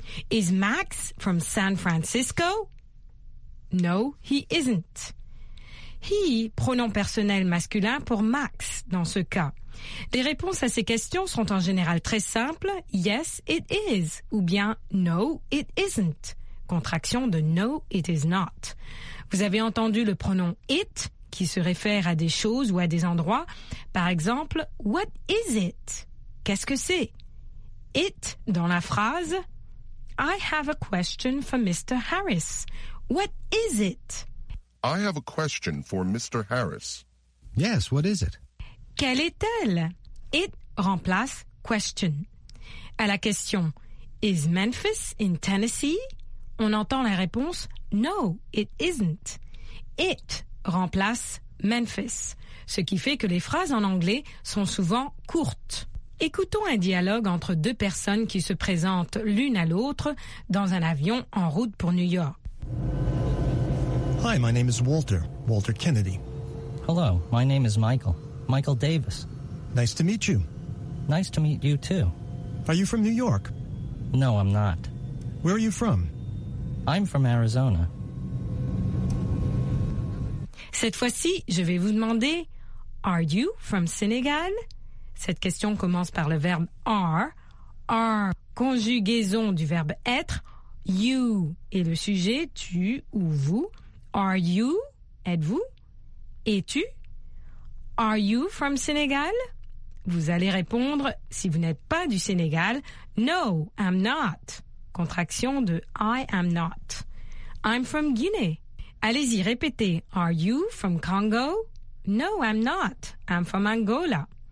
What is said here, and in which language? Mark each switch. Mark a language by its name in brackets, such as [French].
[English] Is Max from San Francisco? No, he isn't. [French] He, pronom personnel masculin pour Max dans ce cas. Les réponses à ces questions sont en général très simples. [English] Yes, it is. [French] Ou bien [English] no, it isn't. [French] Contraction de [English] no, it is not. [French] Vous avez entendu le pronom it qui se réfère à des choses ou à des endroits. Par exemple, [English] what is it? [French] Qu'est-ce que c'est? [English] It [French] dans la phrase, [English] I have a question for Mr. Harris. What is it? I have a question for Mr. Harris. Yes, what is it? [French] Quelle est-elle? It remplace question. À la question, [English] is Memphis in Tennessee? [French] On entend la réponse, [English] no, it isn't. [French] It remplace Memphis, ce qui fait que les phrases en anglais sont souvent courtes. Écoutons un dialogue entre deux personnes qui se présentent l'une à l'autre dans un avion en route pour New York. [English] Hi, my name is Walter, Walter Kennedy. Hello, my name is Michael, Michael Davis. Nice to meet you. Nice to meet you too. Are you from New York? No, I'm not. Where are you from? I'm from Arizona. [French] Cette fois-ci, je vais vous demander « [English] Are you from Senegal ?» [French] Cette question commence par le verbe « are ».« Are », conjugaison du verbe « être ».« You » est le sujet « tu » ou « vous ».« [English] Are you [French] » êtes-vous ? « Es-tu ?»« [English] Are you from Senegal ?» [French] Vous allez répondre, si vous n'êtes pas du Sénégal, « [English] No, I'm not ». [French] Contraction de [English] « I am not ».« I'm from Guinea ». [French] Allez-y, répétez. [English] Are you from Congo? No, I'm not. I'm from Angola.